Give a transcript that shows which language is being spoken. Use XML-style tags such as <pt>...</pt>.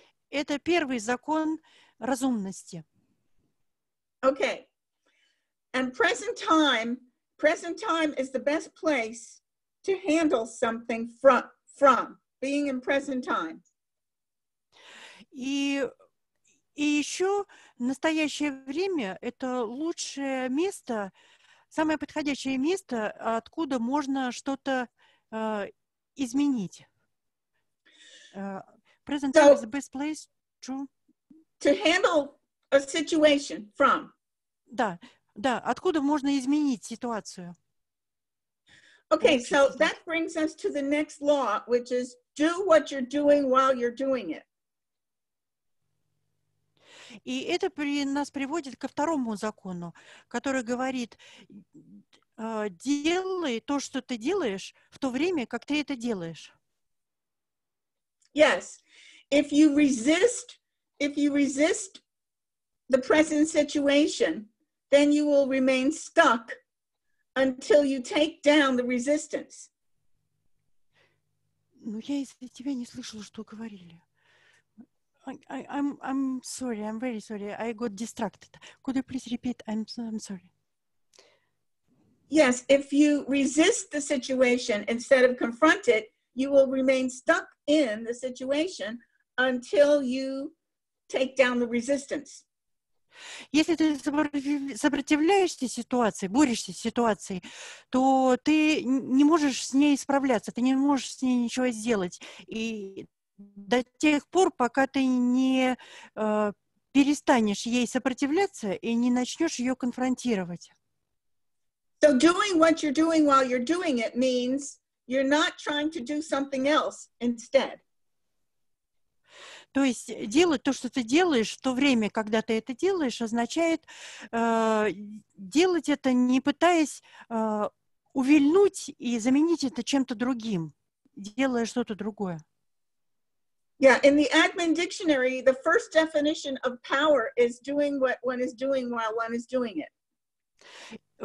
<ru>Это первый закон разумности.</ru> <en>Okay. And present time is the best place to handle something from being in present time.</en> <ru>И еще настоящее время – это лучшее место, самое подходящее место, откуда можно что-то изменить.</ru> <en>Present time is the best place to handle a situation from.</en> <ru>Да, да, откуда можно изменить ситуацию.</ru> <en>Okay, so that brings us to the next law, which is do what you're doing while you're doing it.</en> <ru>И это нас приводит ко второму закону, который говорит, делай то, что ты делаешь, в то время, как ты это делаешь.</ru> <en>Yes. If you resist the present situation, then you will remain stuck until you take down the resistance.</en> <ru>Ну, я из-за тебя не слышала, что говорили.</ru> <en>I'm sorry. I'm very sorry. I got distracted. Could you please repeat? I'm sorry. Yes, if you resist the situation instead of confront it, you will remain stuck in the situation until you take down the resistance.</en> <ru>Если ты сопротивляешься ситуации, борешься с ситуацией, то ты не можешь с ней справляться, ты не можешь с ней ничего сделать. И до тех пор, пока ты не перестанешь ей сопротивляться и не начнешь ее конфронтировать.</ru> <en>So doing what you're doing while you're doing it means you're not trying to do something else instead.</en> <ru>То есть делать то, что ты делаешь, в то время, когда ты это делаешь, означает делать это, не пытаясь увильнуть и заменить это чем-то другим, делая что-то другое.</ru> <en>Yeah, in the Admin Dictionary, the first definition of power is doing what one is doing while one is doing it.</en>